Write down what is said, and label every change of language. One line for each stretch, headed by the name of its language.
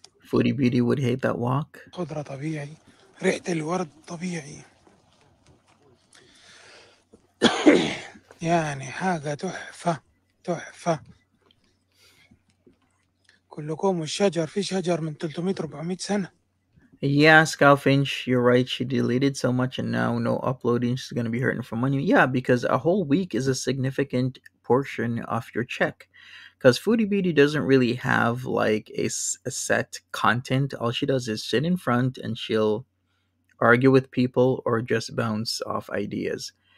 English: Foodie Beauty would hate that walk.
Arabic: ريحة الورد طبيعي يعني حاجة تحفة تحفة كلكم والشجر في شجر من 300-400 سنة
English: Yeah, Scalfinch, you're right. She deleted so much and now no uploading. She's going to be hurting for money. Yeah, because a whole week is a significant portion of your check. Because Foodie Beauty doesn't really have like a set content. All she does is sit in front and she'll argue with people or just bounce off ideas.